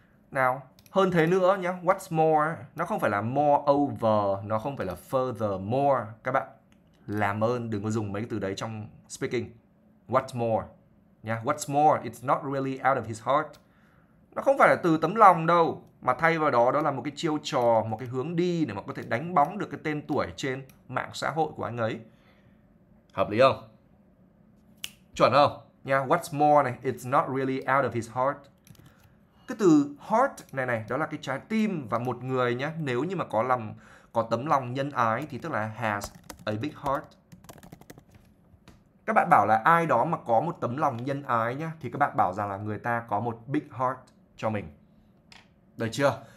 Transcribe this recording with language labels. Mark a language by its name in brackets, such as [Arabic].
[Vietnamese] Nào, hơn thế nữa nhá, [English] what's more, [Vietnamese] nó không phải là more over, nó không phải là further more. Các bạn làm ơn đừng có dùng mấy cái từ đấy trong speaking. [English] What's more nhá, what's more, it's not really out of his heart. [Vietnamese] Nó không phải là từ tấm lòng đâu, mà thay vào đó đó là một cái chiêu trò, một cái hướng đi để mà có thể đánh bóng được cái tên tuổi trên mạng xã hội của anh ấy. Hợp lý không? Chuẩn không? [English] Nha, what's more này, it's not really out of his heart. [Vietnamese] Cái từ heart này này, đó là cái trái tim, và một người nhá, nếu như mà có tấm lòng nhân ái thì tức là [English] has a big heart. [Vietnamese] Các bạn bảo là ai đó mà có một tấm lòng nhân ái nhá, thì các bạn bảo rằng là người ta có một big heart cho mình. Được chưa?